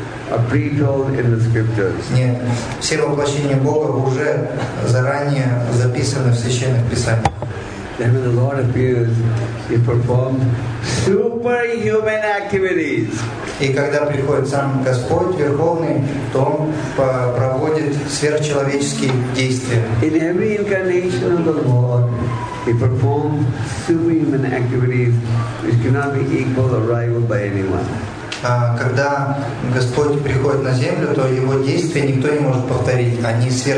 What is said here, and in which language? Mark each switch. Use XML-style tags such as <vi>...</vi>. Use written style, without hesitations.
<en>Are pre-told in the scriptures.</en> <ru>Нет, все воплощения Бога уже заранее записаны в священных писаниях.</ru> <en>Then when the Lord appears, he performs superhuman activities.</en> <ru>И когда приходит сам Господь Верховный, то он проводит сверхчеловеческие действия.</ru> <en>In every incarnation of the Lord, he performs superhuman activities, which cannot be equaled or rivaled by anyone.</en> <ru>Когда Господь приходит на землю, то его действия никто не может повторить, они</ru>